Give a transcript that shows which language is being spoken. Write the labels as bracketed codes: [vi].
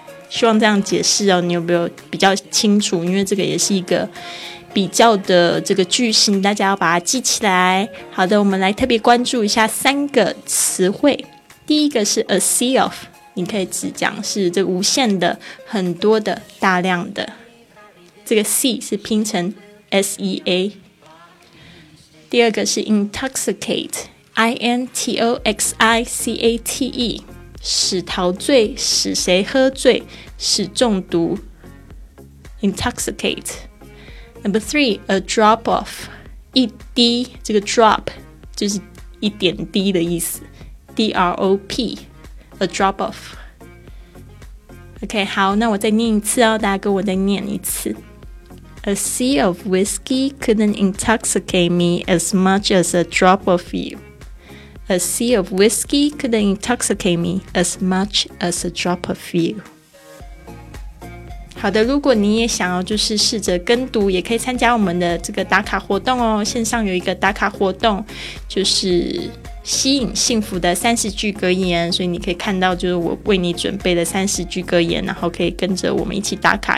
[zh] 希望这样解释哦，你有没有比较清楚？因为这个也是一个比较的这个句型，大家要把它记起来。好的，我们来特别关注一下三个词汇。第一个是 [en] a sea of, [zh] 你可以只讲是这个无限的、很多的、大量的。这个 sea 是拼成 s e a。第二个是 intoxicate, I-N-T-O-X-I-C-A-T-E, 使陶醉，使谁喝醉，使中毒， intoxicate. [en] Number three, a drop of, [zh] 一滴，这个 drop 就是一点滴的意思， D-R-O-P, a drop of. OK, 好，那我再念一次哦，大家跟我再念一次。 [en] A sea of whiskey couldn't intoxicate me as much as a drop of you. A sea of whiskey couldn't intoxicate me as much as a drop of you. [zh] 好的，如果你也想要就是试着跟读，也可以参加我们的这个打卡活动哦。线上有一个打卡活动，就是吸引幸福的30句格言，所以你可以看到就是我为你准备的30句格言，然后可以跟着我们一起打卡。